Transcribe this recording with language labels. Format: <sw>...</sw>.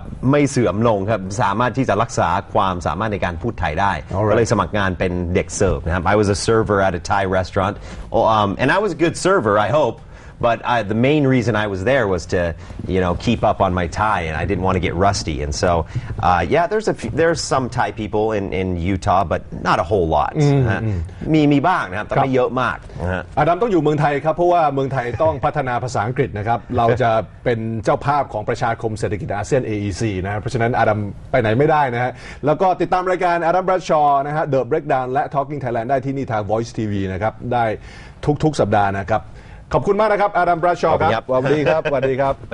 <th>ไม่เสื่อมลงครับสามารถที่จะรักษาความสามารถในการพูดไทยได้ก็เลยสมัครงานเป็นเด็กเสิร์ฟนะครับ</th> <en>I was a server at a Thai restaurant and I was a good server I hopeBut the main reason I was there was to, you know, keep up on my Thai, and I didn't want to get rusty. And so, yeah, there's some Thai people in Utah, but not a whole lot.</en> <th>มีบ้างนะครับแต่ไม่เยอะมากนะฮะ อดัมต้องอยู่เมืองไทยครับเพราะว่าเมืองไทยต้องพัฒนาภาษาอังกฤษนะครับเราจะเป็นเจ้าภาพของประชาคมเศรษฐกิจอาเซียน AEC นะเพราะฉะนั้นอดัมไปไหนไม่ได้นะฮะแล้วก็ติดตามรายการอดัมบรัชชอร์นะฮะ The Breakdown และ Talking Thailand ได้ที่นี่ทาง Voice TV นะครับได้ทุกสัปดาห์นะครับขอบคุณมากนะครับอดัมบราชอครับสวัสดีครับ</th>